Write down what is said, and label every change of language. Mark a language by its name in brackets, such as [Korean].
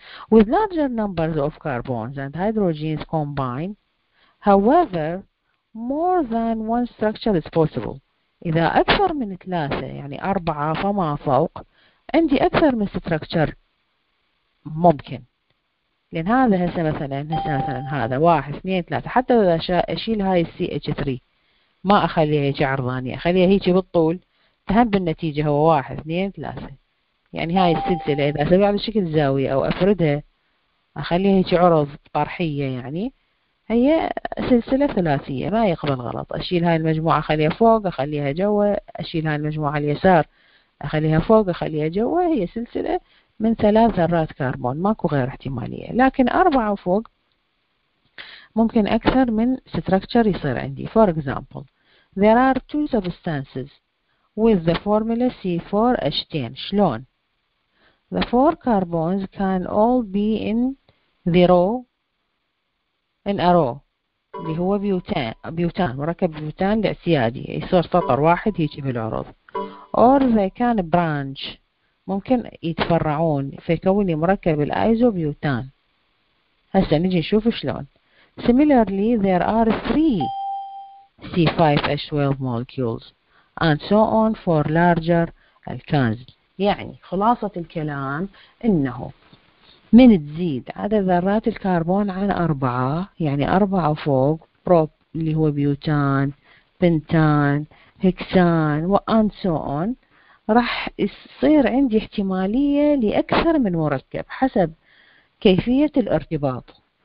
[English] With larger numbers of carbons and hydrogens combined، however more than one structure is possible، [Arabic] إذا أكثر من ثلاثة يعني أربعة فما فوق، عندي أكثر من structure ممكن. لأن هذا هسه مثلا، هسه مثلا هذا واحد اثنين ثلاثة، حتى إذا أشيل هاي ال CH3 ما أخليها هيك عرضانية، أخليها هيك بالطول، تهم بالنتيجة هو واحد اثنين ثلاثة. يعني هاي السلسلة إذا أسويها على شكل زاوية أو أفردها أخليها هيك عرض طرحية، يعني هي سلسلة ثلاثية ما يقبل غلط. أشيل هاي المجموعة أخليها فوق أخليها جوا، أشيل هاي المجموعة اليسار أخليها فوق أخليها جوا، هي سلسلة من ثلاث ذرات كربون، ماكو غير احتمالية. لكن أربعة وفوق ممكن أكثر من structure يصير عندي. [English] For example there are two substances with the formula C4H10. [Arabic] شلون؟ [English] The four carbons can all be in the row in a row، [Arabic] اللي هو بيوتان، بيوتان مركب بيوتان الاعتيادي، يصير سطر واحد يجي بالعرض. [English] Or they can branch، [Arabic] ممكن يتفرعون فيكون لي مركب الايزوبيوتان. هسه نجي نشوف شلون. [English] similarly there are three C5H12 molecules and so on for larger alkanes. [Arabic] يعني خلاصة الكلام انه من تزيد عدد ذرات الكربون عن أربعة، يعني أربعة فوق، بروب اللي هو بيوتان بنتان هكسان [English] and so on، [Arabic] راح يصير عندي احتمالية لأكثر من مركب حسب كيفية الارتباط.